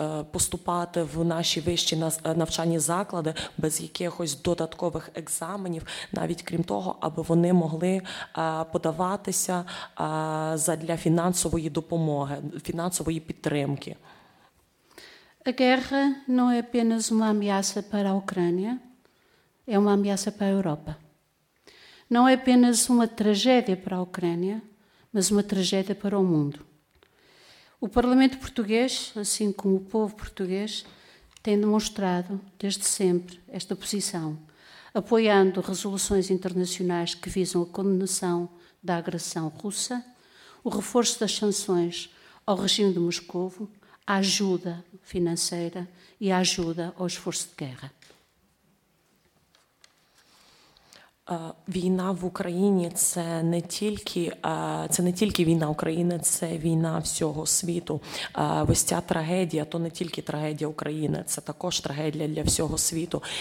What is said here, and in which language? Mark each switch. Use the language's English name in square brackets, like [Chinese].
[Ukrainian] поступати в наші вищі навчальні заклади без якихось додаткових екзаменів, навіть крім того, аби вони могли подаватися задля фінансової допомоги, фінансової підтримки. [Portuguese] A guerra não é apenas uma ameaça para a Ucrânia, é uma ameaça para a Europa. Não é apenas uma tragédia para a Ucrânia, mas uma tragédia para o mundo. O Parlamento Português, assim como o povo português, tem demonstrado desde sempre esta posição, apoiando resoluções internacionais que visam a condenação da agressão russa, o reforço das sanções ao regime de Moscovo, a ajuda financeira e a ajuda ao esforço de guerra. [Ukrainian] Війна в Україні – це не тільки війна України, це війна всього світу. Ось ця трагедія – то не тільки трагедія України, це також трагедія для всього світу.